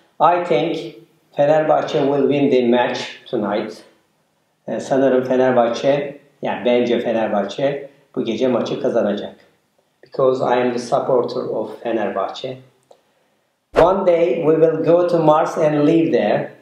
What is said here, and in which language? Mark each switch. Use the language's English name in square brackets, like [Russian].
[English] I think Fenerbahçe will win the match tonight. [Turkish] Sanırım Fenerbahçe, yani bence Fenerbahçe bu gece maçı kazanacak. [English] Because I am the supporter of Fenerbahçe. One day we will go to Mars and live there.